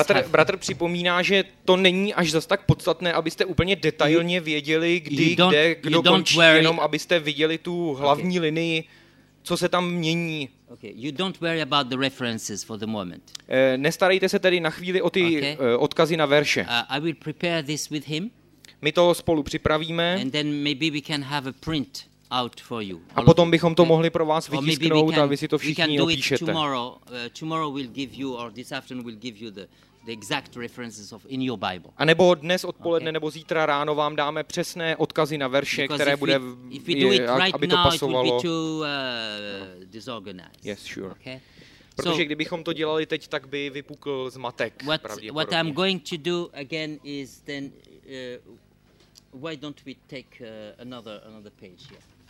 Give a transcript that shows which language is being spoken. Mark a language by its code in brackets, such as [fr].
[cs] Bratr připomíná, že to není až zas tak podstatné, abyste úplně detailně věděli, kdy, kde, kdo končí, jenom abyste viděli tu hlavní linii, co se tam mění. [en] Okay. You don't worry about the references for the moment. [cs] Nestarejte se tedy na chvíli o ty odkazy na verše. [en] I will prepare this with him. [cs] My to spolu připravíme. [en] And then maybe we can have a print out for you. [cs] A potom bychom to mohli pro vás vytisknout a vy si to všichni opíšete. [en] Tomorrow we'll give you, or this afternoon we'll give you the exact references of in your Bible. [cs] A nebo dnes odpoledne nebo zítra ráno vám dáme přesné odkazy na verše, [en] because [cs] které bude [en] if we do it right [cs] aby to pasovalo. [en] Now, it will be too disorganized. Yes, sure. Okay. [cs] Protože so, kdybychom to dělali teď, tak by vypukl zmatek pravděpodobně. [en] What I'm going to do again is then why don't we take another page here?